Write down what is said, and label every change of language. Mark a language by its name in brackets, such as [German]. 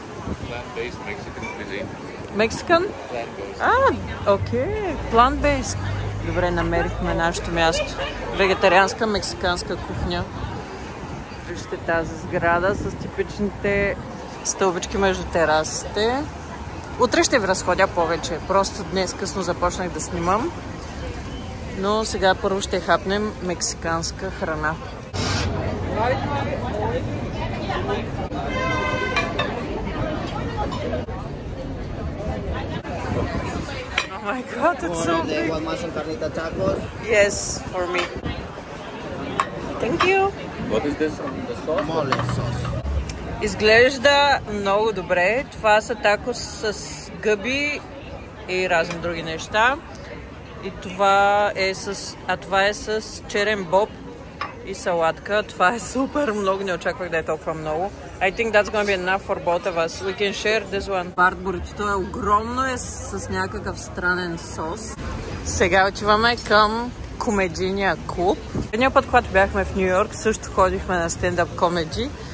[English] Plant-based Mexican cuisine. [Bulgarian] Мексикан? [English] Plant-based. [Bulgarian] Окей. [English] Plant-based. [Bulgarian] Добре, намерихме нашето място. Вегетарианска мексиканска кухня. Вижте тази сграда с типичните стълбички между терасите. Утре ще ви разходя повече. Просто днес късно започнах да снимам. Но сега първо ще хапнем мексиканска храна. Ай, [English] my god, it's so big. One mushroom carnita tacos. Yes, for me. Thank you. What is this on the sauce? Mole sauce. [Bulgarian] Изглежда много добре. Това са такос с гъби и разни други неща. И това е с, а това е с черен боб и салатка. Това е супер много. Не очаквах да е толкова много. [English] I think that's gonna be enough for both of us. We can share this one. [Bulgarian] Бардбурито е огромно, е с някакъв странен сос. Сега отиваме към комедийния клуб. Едния път, когато бяхме в Нью Йорк, също ходихме на стендъп комеди.